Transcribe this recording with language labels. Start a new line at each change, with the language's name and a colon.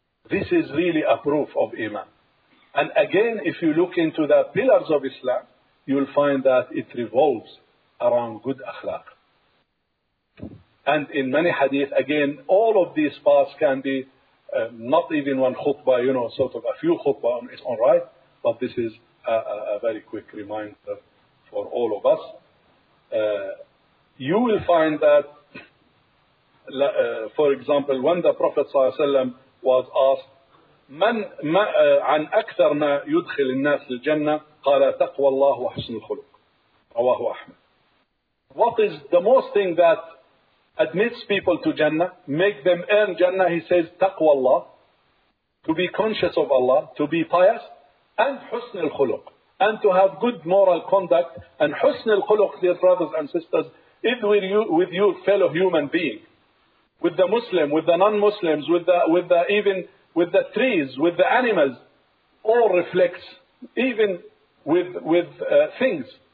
English: This is really a proof of iman. And again, if you look into the pillars of Islam, you'll find that it revolves around good akhlaq. And in many hadith, again, all of these parts can be not even one khutbah, you know, sort of a few khutbah on its own right, but this is a very quick reminder for all of us. You will find that, for example, when the Prophet ﷺ was asked,
Arabic: من ما عن أكثر ما يدخل الناس الجنة قال تقوى الله وحسن الخلق رواه أحمد.
English: What is the most thing that admits people to Jannah, make them earn Jannah? He says
Arabic: تقوى الله,
English: to be conscious of Allah, to be pious, and
Arabic: حسن الخلق,
English: and to have good moral conduct. And حسن الخلق, dear brothers and sisters, is with your fellow human being, with the Muslim, with the non-Muslims, with the even with the trees, with the animals, all reflects, even with things.